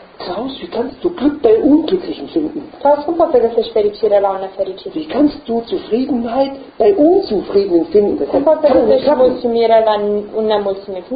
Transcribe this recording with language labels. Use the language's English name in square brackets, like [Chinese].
[German] Klaus, wie kannst du Glück bei Unglücklichen finden? [Romanian] Klaus, cum poți găsești fericire la un nefericit? [German] Wie kannst du Zufriedenheit bei Unzufriedenen finden? [Romanian] Cum poți găsești mulțumire la un nemulțumit?